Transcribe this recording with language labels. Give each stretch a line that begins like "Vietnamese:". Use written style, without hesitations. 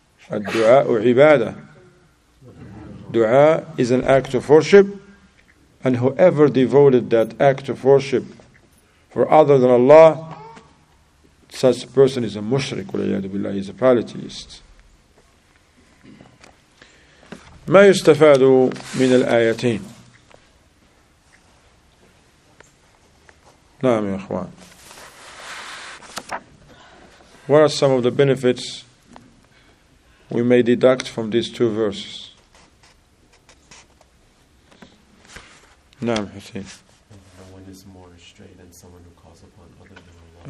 English: A dua u ibadah. Dua is an act of worship. And whoever devoted that act of worship for other than Allah, such a person is a mushrik, walayyadu billahi, is a polytheist.
Arabic: ما يستفاد من الآيتين؟ نعم يا أخوان.
English: What are some of the benefits we may deduct from these two verses?
Arabic: نعم حسين.
English: One is more straight than someone who calls upon other than